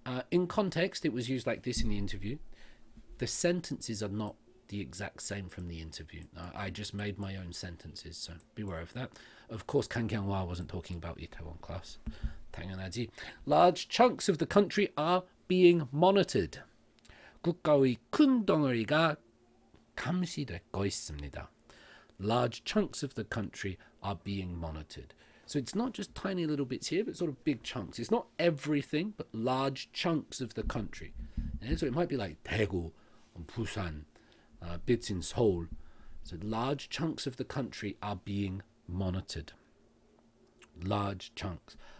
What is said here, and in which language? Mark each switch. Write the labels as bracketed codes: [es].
[en] In context, it was used like this in the interview. The sentences are not the exact same from the interview. I just made my own sentences, so beware of that. Of course, Kang Kyung-hwa wasn't talking about Itaewon class. [ko] Tangyeonhaji. [en] Large chunks of the country are being monitored. [ko] 국가의 큰 덩어리가 감시되고 있습니다. [en] Large chunks of the country are being monitored. So it's not just tiny little bits here, but sort of big chunks. It's not everything, but large chunks of the country. And so it might be like Daegu and Busan, bits in Seoul. So large chunks of the country are being monitored. Large chunks.